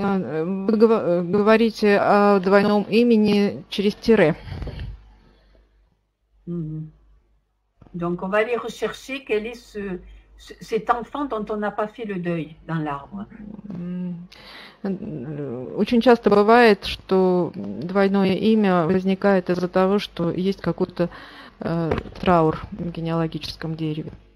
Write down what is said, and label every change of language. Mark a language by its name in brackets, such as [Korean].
[Russian] Вы говорите о двойном имени через тире. [French] Donc on va aller rechercher quel est cet enfant dont on n'a pas fait le deuil dans l'arbre. [Russian] Очень часто бывает, что двойное имя возникает из-за того, что есть какой-то траур в генеалогическом дереве.